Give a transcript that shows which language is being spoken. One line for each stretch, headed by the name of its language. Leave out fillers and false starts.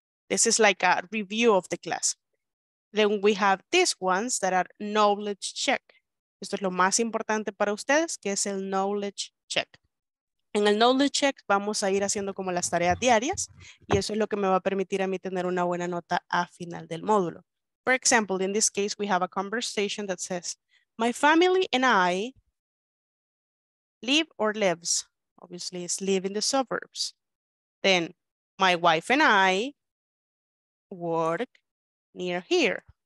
English: This is like a review of the class. Then we have these ones that are knowledge check.
Spanish: Esto es lo más importante para ustedes, que es el knowledge check. En el knowledge check vamos a ir haciendo como las tareas diarias y eso es lo que me va a permitir a mí tener una buena nota a final del módulo.
English: For example, in this case, we have a conversation that says, my family and I live or lives. Obviously, it's live in the suburbs. Then my wife and I work near here.